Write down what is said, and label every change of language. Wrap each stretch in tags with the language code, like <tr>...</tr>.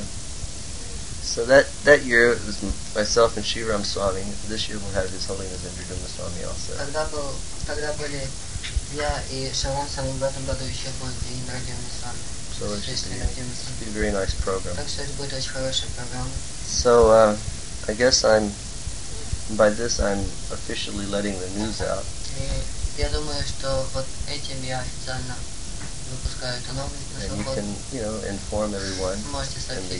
<en>So that year it was myself and Shri Ram Swami. This year we'll have His Holiness Indradhuma Swami also.</en> <ru>Тогда были я и Шарам Свами, в этом году еще будет и Индрадхуна Свами.</ru> <en>So it should be a very nice program.</en> <ru>Так что это будет очень хорошая программа.</ru> <en>So I guess I'm officially letting the news out.</en> <ru>И я думаю, что вот этим я официально выпускаю эту новость.</ru> <en>And you can, you know, inform everyone in the</en>